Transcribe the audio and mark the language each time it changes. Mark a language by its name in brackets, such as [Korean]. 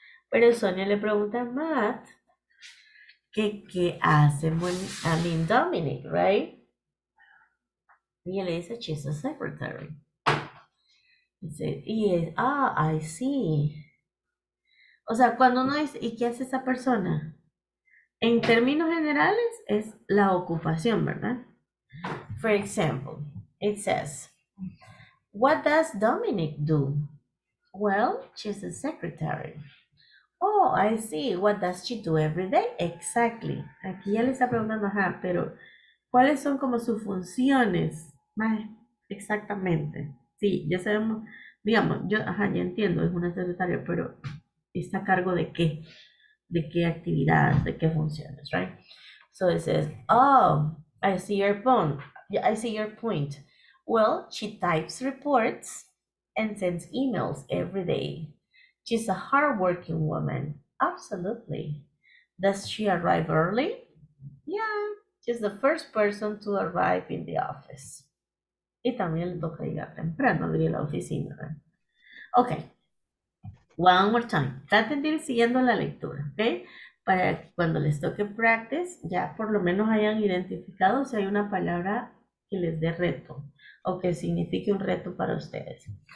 [Spanish] Pero Sonia le pregunta a Matt que qué hace, [English] I mean Dominic, right? [Spanish] Ella le dice, [English] she's a secretary. [Spanish] Dice, [English] yes, ah, I see. [Spanish] O sea, cuando uno dice, ¿y qué hace esa persona? En términos generales, es la ocupación, ¿verdad? [English] For example, it says, what does Dominic do? Well, she's a secretary. Oh, I see. What does she do every day? Exactly. [Spanish] Aquí ya le está preguntando, ajá, pero ¿cuáles son como sus funciones? Más exactamente. Sí, ya sabemos. Digamos, yo, ajá, ya entiendo, es una secretaria, pero ¿está a cargo de qué? ¿De qué actividad? ¿De qué funciones? [English] Right? So it says, oh, I see your point. I see your point. Well, she types reports and sends emails every day. She's a hardworking woman. Absolutely. Does she arrive early? Yeah, she's the first person to arrive in the office. [Spanish] Y también le toca llegar temprano a la oficina. [English] Okay. One more time. [Spanish] Traten de ir siguiendo la lectura, okay? Para cuando les toque practice, ya por lo menos hayan identificado si hay una palabra que les dé reto o que signifique un reto para ustedes.